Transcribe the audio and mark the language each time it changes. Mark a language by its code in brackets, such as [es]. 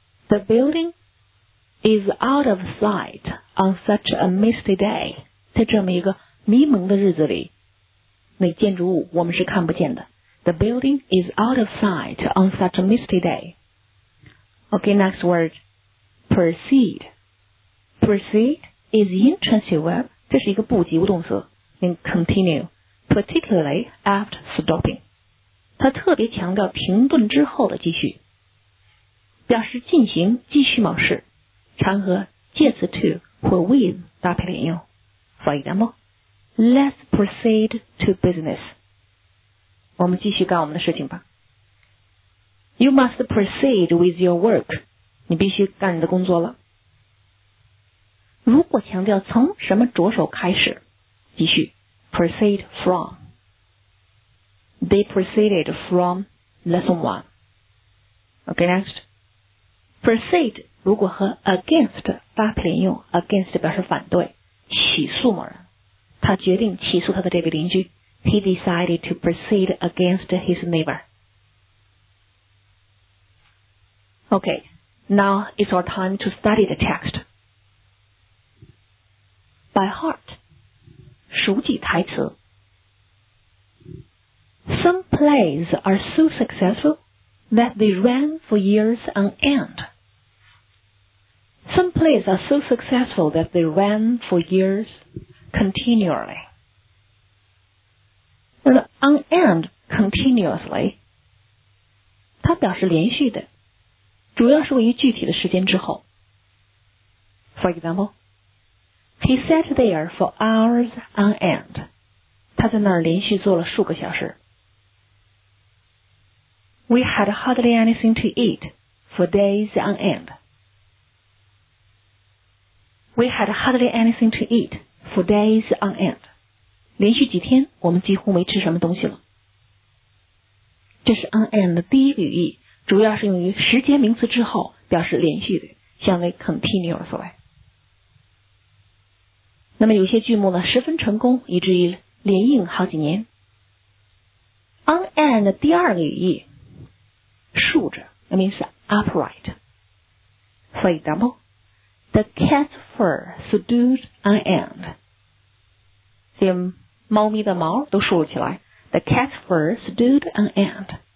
[en] The building is out of sight on such a misty day. [zh] 在这么一个迷蒙的日子里，那建筑物我们是看不见的。 [en] The building is out of sight on such a misty day. Okay, next word. Proceed. Proceed is intransitive verb. [zh] 这是一个不及物动词。 [en] And continue. Particularly after stopping. [zh] 它特别强调停顿之后的继续。表示进行继续某事，常和介词 to 或 with 搭配连用。 [en] For example, let's proceed to business. [zh] 我们继续干我们的事情吧。 [en] You must proceed with your work. [zh] 你必须干你的工作了。如果强调从什么着手开始，继续 proceed from. [en] They proceeded from lesson one. Okay, next. [zh] Proceed 如果和 against 搭配连用 ，against 表示反对，起诉某人。他决定起诉他的这个邻居。 [en] He decided to proceed against his neighbor. Okay, now it's our time to study the text by heart. [zh] 熟记台词。 [en] Some plays are so successful that they ran for years on end. Some plays are so successful that they ran for years continually. [zh] On end, continuously, 它表示连续的，主要是位于具体的时间之后。 [en] For example, he sat there for hours on end. [zh] 他在那儿连续坐了数个小时。 [en] We had hardly anything to eat for days on end. We had hardly anything to eat for days on end. [zh] 连续几天我们几乎没吃什么东西了。这是 on end 的第一个语义，主要是用于时间名词之后表示连续的，相为 continuously。那么有些剧目呢十分成功，以至于连映好几年。 On end 的第二个语义，竖着 , [en] that means upright. For example,The cat's fur stood on end. [zh] 这猫咪的毛都竖起来。 [en] The cat's fur stood on end.